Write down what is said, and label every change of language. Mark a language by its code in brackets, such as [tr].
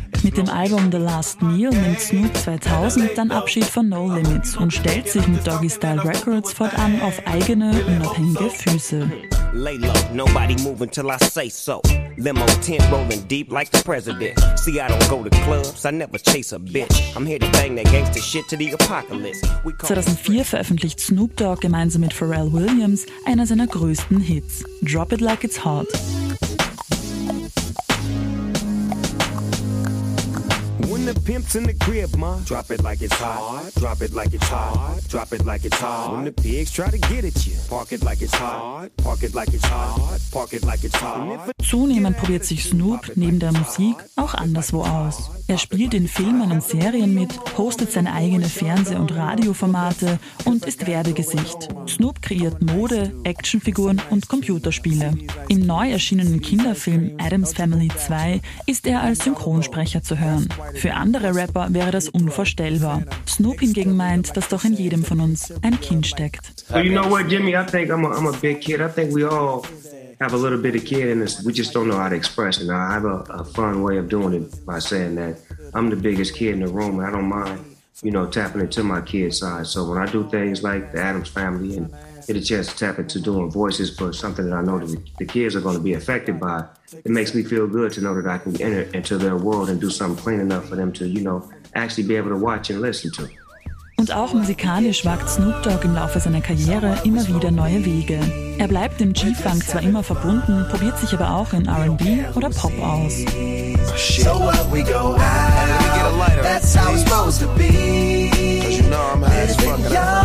[de] Mit dem Album The Last Meal nimmt Snoop 2000 dann Abschied von No Limits und stellt sich mit Doggy Style Records fortan auf eigene, unabhängige Füße. [en] Lay low, nobody move until I say so. Limo tent rolling deep like the president. See, I don't go to clubs, I never chase a bitch. I'm here to bang that gangster shit to the apocalypse. [de] 2004 veröffentlicht Snoop Dogg gemeinsam mit Pharrell Williams einer seiner größten Hits, Drop It Like It's Hot. [en] The pimps in the crib, ma. Drop it like it's hot. Drop it like it's hot. Drop it like it's hot. When the pigs try to get at you. Park it like it's hot. Park it like it's hot. Park it like it's hot. [de] Zunehmend probiert sich Snoop neben der Musik auch anderswo aus. Er spielt in Filmen und Serien mit, hostet seine eigene Fernseh- und Radioformate und ist Werbegesicht. Snoop kreiert Mode, Actionfiguren und Computerspiele. Im neu erschienenen Kinderfilm Addams Family 2 ist er als Synchronsprecher zu hören. Für andere Rapper wäre das unvorstellbar. Snoop hingegen meint, dass doch in jedem von uns ein Kind steckt. [en] So you know what, Jimmy? I think I'm a big kid. I think we all have a little bit of kid in us. We just don't know how to express it. I have a fun way of doing it by saying that I'm the biggest kid in the room. I don't mind, you know, tapping into my kid side. So when I do things like the Addams Family and get a chance to tap into doing voices for something that I know that the kids are going to be affected by, it makes me feel good to know that I can enter into their world and do something clean enough for them to, you know, actually be able to watch and listen to. [de] Und auch musikalisch wagt Snoop Dogg im Laufe seiner Karriere immer wieder neue Wege. Er bleibt dem G-Funk zwar immer verbunden, probiert sich aber auch in R&B oder Pop aus. [en] So what, we go out, we get a lighter. That's how it's supposed to be. Cause you know I'm high as fuck and I'm